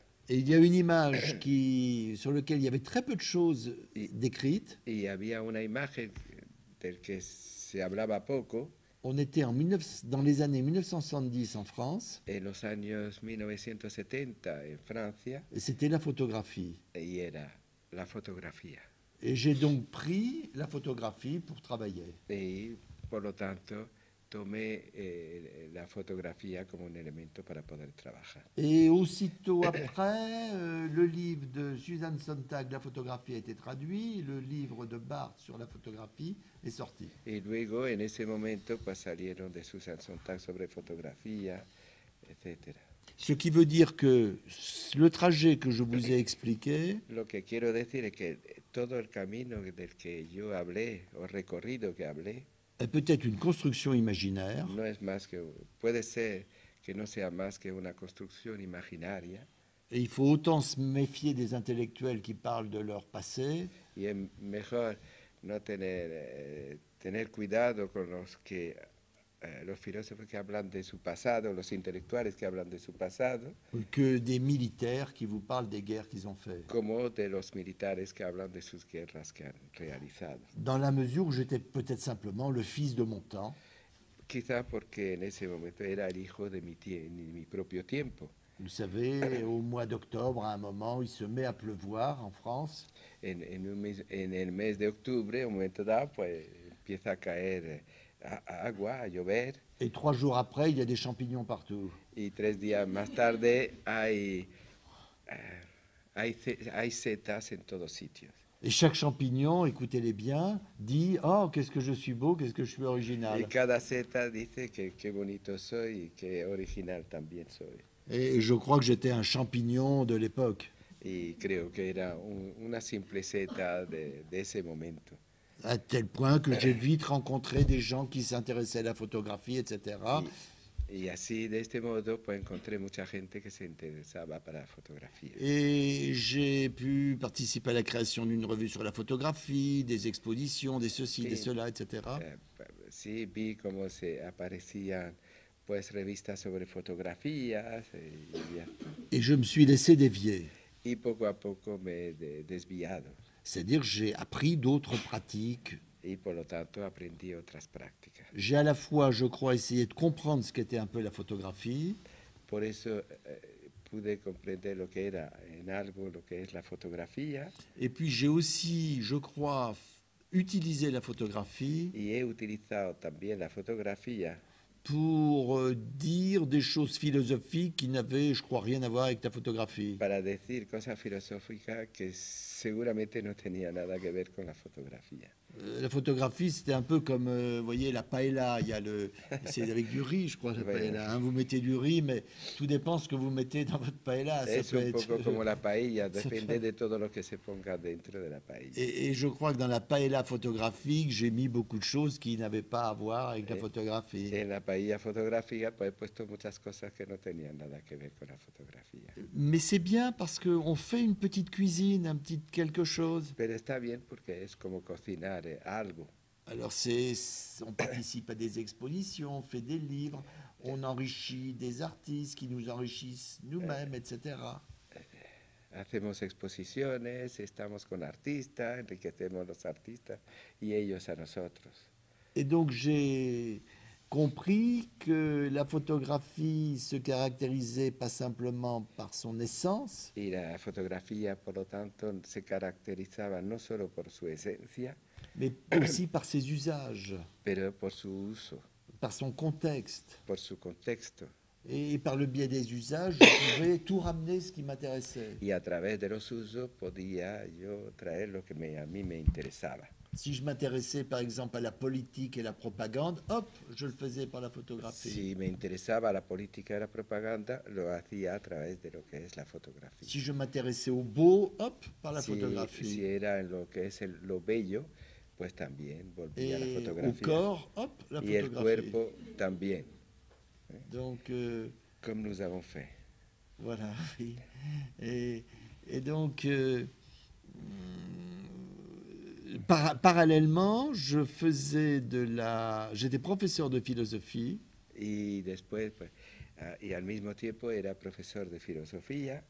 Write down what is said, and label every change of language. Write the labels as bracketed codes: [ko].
[fr] Et il y a une image qui sur lequel il y avait très peu de choses décrites. [es] Y había una imagen del que se hablaba poco. [fr] On était dans les années 1970 en France. [es] En los años 1970 en Francia. [fr] Et c'était la photographie. [es] Y era la fotografía. [fr] Et j'ai donc pris la photographie pour travailler. [es] Y por lo tanto tomé la fotografía como un elemento para poder trabajar. [fr] Et aussitôt après, le livre de Susan Sontag, La photographie, a été traduit. Le livre de Barthes sur la photographie est sorti. [es] Y luego, en ese momento, pues salieron de Susan Sontag sobre fotografía, etc. [fr] Ce qui veut dire que le trajet que je vous ai expliqué. [es] Lo que quiero decir es que todo el camino del que yo hablé, o recorrido que hablé. [fr] Est peut-être une construction imaginaire. [es] No es más que, puede ser que no sea más que una construcción imaginaria. [fr] Et il faut autant se méfier des intellectuels qui parlent de leur passé. [es] Y es mejor no tener cuidado con los filósofos que hablan de su pasado, los intelectuales que hablan de su pasado. [fr] Que des militaires qui vous parlent des guerres qu'ils ont faites. [es] Como de los militares que hablan de sus guerras que han realizado. [fr] Dans la mesure où j'étais peut-être simplement le fils de mon temps. [es] Quizá porque en ese momento era el hijo de mi propio tiempo. [fr] Vous savez, au mois d'octobre, à un moment, il se met à pleuvoir en France. [es] En el mes de octubre, un momento dado, pues empieza a caer. Agua, a llover. [fr] Et trois jours après, il y a des champignons partout. [es] Y tres días más tarde hay setas en todos sitios. [fr] Et chaque champignon, écoutez-les bien, dit oh qu'est-ce que je suis beau, qu'est-ce que je suis original. [es] Y cada seta dice que bonito soy y que original también soy. [fr] Et je crois que j'étais un champignon de l'époque. [es] Y creo que era una simple seta de ese momento. [fr] À tel point que j'ai vite rencontré des gens qui s'intéressaient à la photographie, etc. [es] Y así, de este modo, pues encontré mucha gente que se interesaba para la fotografía. [fr] Et j'ai pu participer à la création d'une revue sur la photographie, des expositions, des ceci, [es] sí, [fr] des cela, etc. [es] Sí, vi cómo se aparecían pues revistas sobre fotografías. [fr] Et je me suis laissé dévier. [es] Y poco a poco me he desviado. [fr] C'est-à-dire, j'ai appris d'autres pratiques. [es] Y por lo tanto aprendí otras prácticas. [fr] J'ai à la fois, je crois, essayé de comprendre ce qu'était un peu la photographie. [es] Por eso pude comprender lo que era en algo lo que es la fotografía. [fr] Et puis j'ai aussi, je crois, utilisé la photographie. [es] Y he utilizado también la fotografía. [fr] Pour dire des choses philosophiques qui n'avaient, je crois, rien à voir avec ta photographie. [es] Para decir cosas filosóficas que seguramente no tenía nada que ver con la fotografía. [fr] La photographie, c'était un peu comme, vous voyez, la paella. Il y a le, c'est avec du riz, je crois, la paella. Hein, vous mettez du riz, mais tout dépend ce que vous mettez dans votre paella. C'est un peu comme la paella. [es] Depende de todo lo que se ponga dentro de la paella. [fr] Et je crois que dans la paella photographique, j'ai mis beaucoup de choses qui n'avaient pas à voir avec la photographie. [es] En la paella fotográfica, pues, he puesto muchas cosas que no tenían nada que ver con la fotografía. [fr] Mais c'est bien parce que on fait une petite cuisine, un petit quelque chose. [es] Pero está bien porque es como cocinar. Algo. [fr] Alors c'est, on participe à des expositions, on fait des livres, on enrichit des artistes qui nous enrichissent nous-mêmes, etc. [es] Hacemos exposiciones, estamos con artistas, enriquecemos los artistas y ellos a nosotros. [fr] Et donc j'ai compris que la photographie se caractérisait pas simplement par son essence. [es] Y la fotografía, por lo tanto, se caracterizaba no solo por su esencia. [fr] Mais aussi par ses usages, [es] pero por su uso, [fr] par son contexte, [es] por su contexto, [fr] et par le biais des usages, je pouvais tout ramener ce qui m'intéressait. [es] Y a través de los usos podía yo traer lo que a mí me interesaba. [fr] Si je m'intéressais par exemple à la politique et la propagande, hop, je le faisais par la photographie. [es] Si me interesaba la política y la propaganda, lo hacía a través de lo que es la fotografía. [fr] Si je m'intéressais au beau, hop, par la photographie. [es] Si era en lo que es lo bello, pues también volvía a la fotografía. [fr] Au corps, hop, la [es] y el cuerpo también. [fr] Donc, [es] comme nous avons fait. [fr] Voilà, oui. Et donc... parallèlement, je faisais de la. J'étais professeur de philosophie. [es] Et después, pues, y al mismo tiempo era profesor de filosofía.